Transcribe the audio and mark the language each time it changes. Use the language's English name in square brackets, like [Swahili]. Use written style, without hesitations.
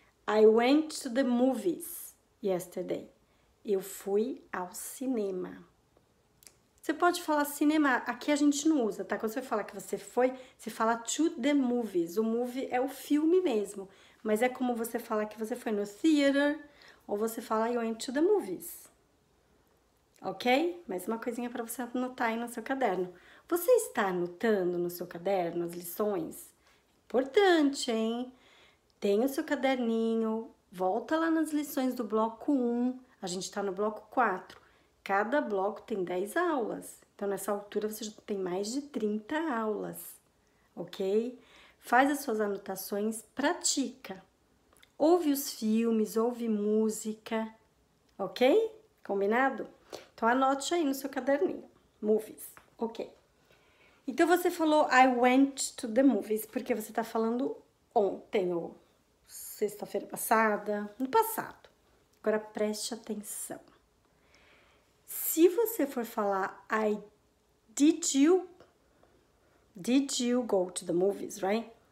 [English] I went to the movies yesterday. [Portuguese] Eu fui ao cinema. Você pode falar cinema, aqui a gente não usa, tá? Quando você fala que você foi, você fala [English] to the movies. [Portuguese] O movie é o filme mesmo. Mas é como você fala que você foi no theater ou você fala [English] I went to the movies. [Portuguese] Ok? Mais uma coisinha para você anotar aí no seu caderno. Você está anotando no seu caderno as lições? Importante, hein? Tem o seu caderninho, volta lá nas lições do bloco 1. A gente está no bloco 4. Cada bloco tem 10 aulas. Então, nessa altura, você já tem mais de 30 aulas, ok? Faz as suas anotações, pratica. Ouve os filmes, ouve música, ok? Combinado? Então, anote aí no seu caderninho. Movies, ok? Então você falou [English] I went to the movies [Portuguese] porque você está falando ontem ou sexta-feira passada, no passado. Agora preste atenção. Se você for falar [English] I did you go to the movies, right?